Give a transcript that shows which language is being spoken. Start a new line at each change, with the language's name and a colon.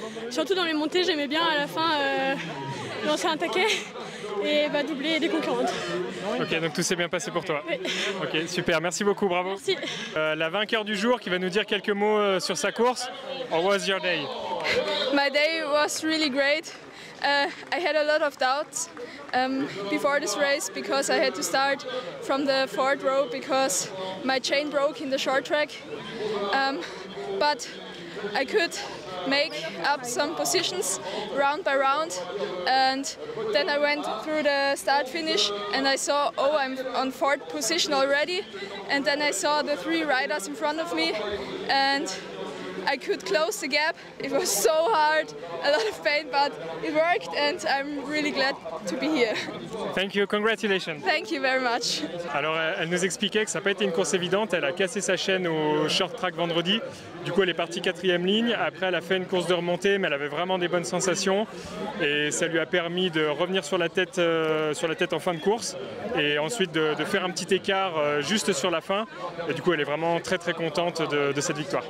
French: Surtout dans les montées, j'aimais bien à la fin lancer un taquet et doubler des concurrentes. Ok, donc tout s'est bien passé pour toi. Oui. Ok, super, merci beaucoup, bravo. Merci. La vainqueur du jour qui va nous dire quelques mots sur sa course.
English: How was your day? My day was really great. I had a lot of doubts before this race because I had to start from the fourth row because my chain broke in the short track. But I could make up some positions round by round, and then I went through the start finish and I saw, oh, I'm on fourth position already, and then I saw the three riders in front of me and I could close the gap. It was so hard, a lot of pain, but it worked and I'm really glad to be here. Thank you, congratulations. Thank you very much.
French: Alors elle nous expliquait que ça n'a pas été une course évidente, elle a cassé sa chaîne au short track vendredi. Du coup elle est partie quatrième ligne, après elle a fait une course de remontée mais elle avait vraiment des bonnes sensations et ça lui a permis de revenir sur la tête en fin de course et ensuite de faire un petit écart juste sur la fin et du coup elle est vraiment très très contente de cette victoire.